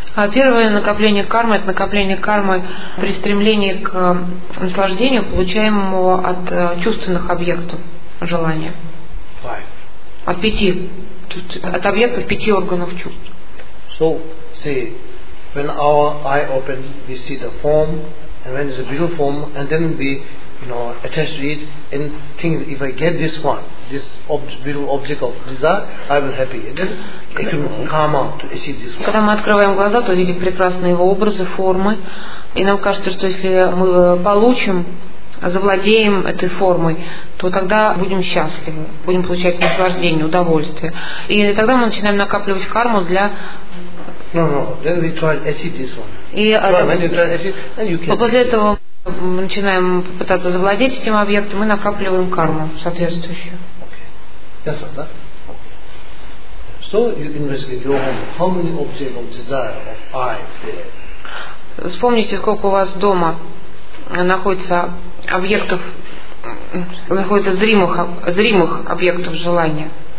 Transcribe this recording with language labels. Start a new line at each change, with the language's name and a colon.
Russian: А первое накопление кармы это накопление кармы при стремлении к наслаждению, получаемому от чувственных объектов желания.
English: Five.
Russian: От пяти, от объектов пяти органов чувств.
English: So see, when our eye opens, we see the form, and when it's a beautiful form, and then we, you know, attach to it and think, if I get this one, this beautiful object of desire, I will happy. And then it can come out to achieve this.
Russian: Когда мы открываем глаза, то видим прекрасные его образы, формы, и нам кажется, что если мы получим, завладеем этой формой, то тогда будем счастливы, будем получать наслаждение, удовольствие, и тогда мы начинаем накапливать карму для.
English: No. Then we try to achieve this one.
Russian: И
English: then
Russian: после этого мы начинаем пытаться завладеть этим объектом, мы накапливаем карму соответствующую.
English: Okay. Yes, sir. So you investigate your home. How many objects of desire of eyes there?
Russian: Вспомните, сколько у вас дома находится объектов, находится зримых объектов желания.